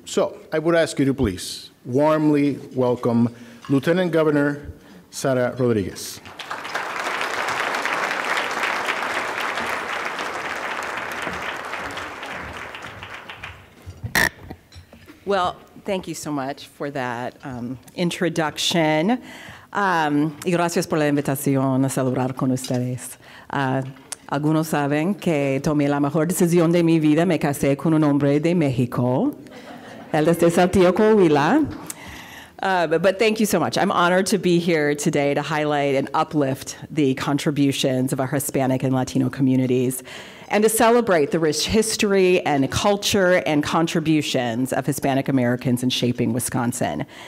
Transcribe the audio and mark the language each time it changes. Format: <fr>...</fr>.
<en>So I would ask you to please warmly welcome Lieutenant Governor Sara Rodriguez. Well, thank you so much for that introduction.</en> <es>Y gracias por la invitación a celebrar con ustedes. Algunos saben que tomé la mejor decisión de mi vida, me casé con un hombre de México. Él es de Saltillo, Coahuila.</es> <en>But thank you so much. I'm honored to be here today to highlight and uplift the contributions of our Hispanic and Latino communities and to celebrate the rich history and culture and contributions of Hispanic Americans in shaping Wisconsin.</en>